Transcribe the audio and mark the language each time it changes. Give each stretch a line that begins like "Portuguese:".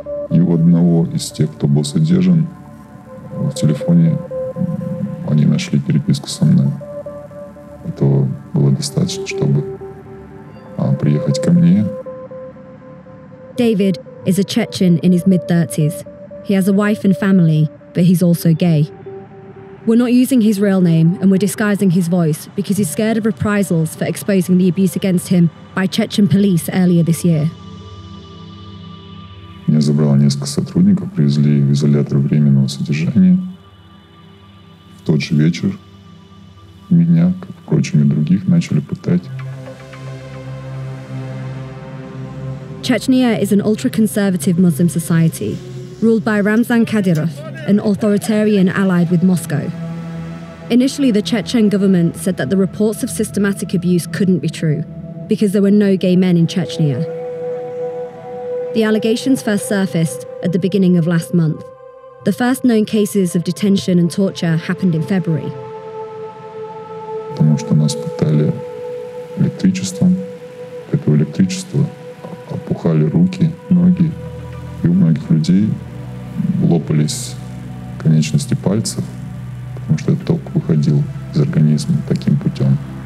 Russian: И у одного из тех, кто был задержан, в телефоне они нашли переписку со мной. Этого было достаточно, чтобы приехать ко мне.
English: David is a Chechen in his mid-30s. He has a wife and family, but he's also gay. We're not using his real name, and we're disguising his voice because he's scared of reprisals for exposing the abuse against him by Chechen police earlier this year.
Russian: Меня забрало несколько сотрудников, привезли в изолятор временного содержания. В тот же вечер меня, как впрочем и других, начали пытать.
English: Chechnya is an ultra-conservative Muslim society, ruled by Ramzan Kadyrov, an authoritarian allied with Moscow. Initially, the Chechen government said that the reports of systematic abuse couldn't be true because there were no gay men in Chechnya. The allegations first surfaced at the beginning of last month. The first known cases of detention and torture happened in February.
Russian: Потому что нас пытали электричеством, это электричество опухали руки, ноги, и у многих людей лопались конечности пальцев, потому что ток выходил из организма таким путем.